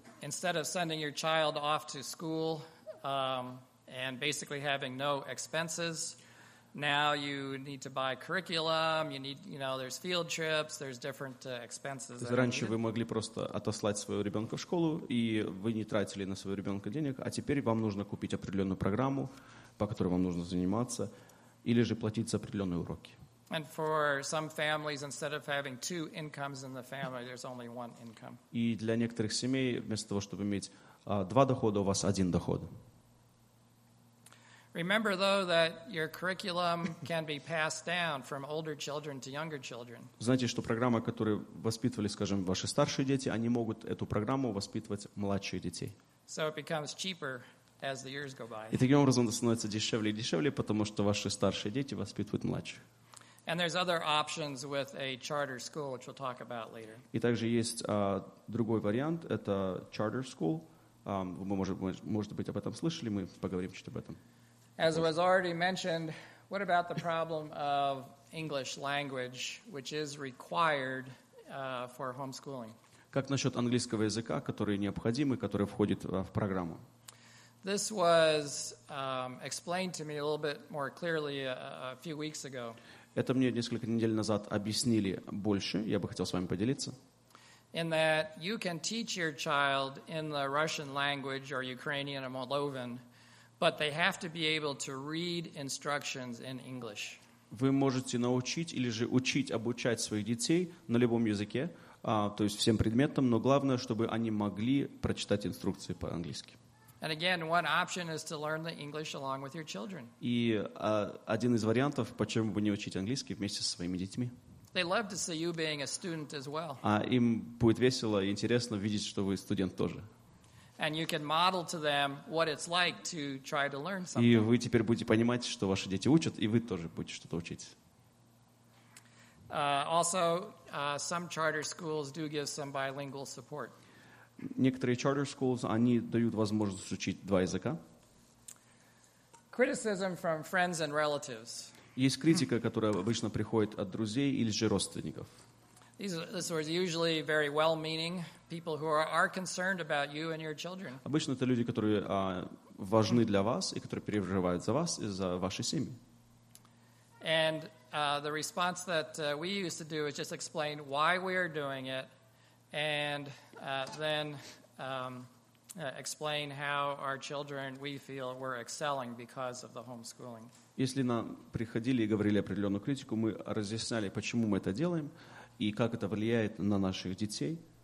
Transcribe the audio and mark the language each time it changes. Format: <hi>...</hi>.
<en>Instead of sending your child off to school and basically having no expenses, now you need to buy curriculum, you need, you know, there's field trips, there's different expenses.</en> <ru>Раньше вы могли просто отослать своего ребенка в школу, и вы не тратили на своего ребенка денег, а теперь вам нужно купить определенную программу, по которой вам нужно заниматься, или же платить за определенные уроки.</ru> <en>And for some families, instead of having two incomes in the family, there's only one income.</en> <ru>И для некоторых семей, вместо того, чтобы иметь два дохода, у вас один доход.</ru> <en>Remember, though, that your curriculum can be passed down from older children to younger children.</en> <ru>Знаете, что программа, которую воспитывали, скажем, ваши старшие дети, они могут эту программу воспитывать младшие детей.</ru> <en>So it becomes cheaper as the years go by.</en> <ru>И таким образом это становится дешевле и дешевле, потому что ваши старшие дети воспитывают младших.</ru> <en>And there's other options with a charter school, which we'll talk about later.</en> <ru>И также есть другой вариант, это charter school. Вы, может быть, об этом слышали, мы поговорим чуть об этом.</ru> <en>As was already mentioned, what about the problem of English language, which is required for homeschooling?</en> <ru>Как насчет английского языка, который необходим и который входит в программу?</ru> <en>This was explained to me a little bit more clearly a few weeks ago.</en> <ru>Это мне несколько недель назад объяснили больше, я бы хотел с вами поделиться.</ru> <en>In that you can teach your child in the Russian language or Ukrainian or Moldovan, but they have to be able to read instructions in English.</en> <ru>Вы можете научить или же учить обучать своих детей на любом языке, то есть всем предметам, но главное, чтобы они могли прочитать инструкции по-английски.</ru> <en>And again, one option is to learn the English along with your children.</en> <ru>И один из вариантов, почему бы не учить английский вместе со своими детьми.</ru> <en>They love to see you being a student as well.</en> <ru>А им будет весело и интересно видеть, что вы студент тоже.</ru> <en>And you can model to them what it's like to try to learn something.</en> <ru>И вы теперь будете понимать, что ваши дети учат, и вы тоже будете что-то учить.</ru> <en>Also, some charter schools do give some bilingual support.</en> <ru>Некоторые charter schools, они дают возможность учить два языка.</ru> <en>Criticism from friends and relatives.</en> <ru>Есть критика, которая обычно приходит от друзей или же родственников.</ru> <en>This was usually very well-meaning people who are concerned about you and your children.</en> <ru>Обычно это люди, которые важны для вас и которые переживают за вас и за ваши семьи.</ru> <en>And the response that we used to do is just explain why we are doing it, and then explain how our children we feel were excelling because of the homeschooling.</en> <ru>Если нам приходили и говорили определенную критику, мы разъясняли, почему мы это делаем. И как это влияет на наших детей?</ru>